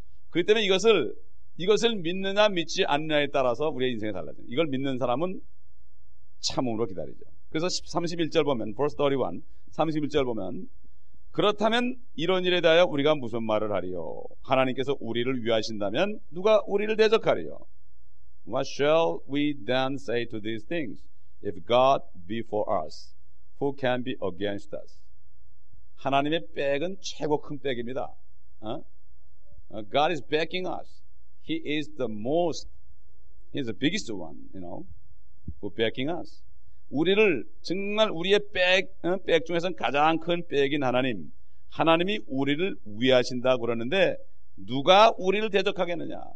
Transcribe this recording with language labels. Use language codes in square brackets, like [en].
[ko] 그렇기 때문에 이것을 믿느냐 믿지 않느냐에 따라서 우리의 인생이 달라져요. 이걸 믿는 사람은 참음으로 기다리죠. 그래서 31절 보면, verse 31, 31절 보면, 그렇다면 이런 일에 대하여 우리가 무슨 말을 하리요? 하나님께서 우리를 위하신다면 누가 우리를 대적하리요? [en] What shall we then say to these things? If God be for us, who can be against us? [ko] 하나님의 백은 최고 큰 백입니다. [en] God is backing us. He is the most, He is the biggest one, you know, who backing us. [ko] 우리를 정말 우리의 백 중에서 가장 큰 백인 하나님, 하나님이 우리를 위하신다고 그러는데 누가 우리를 대적하겠느냐?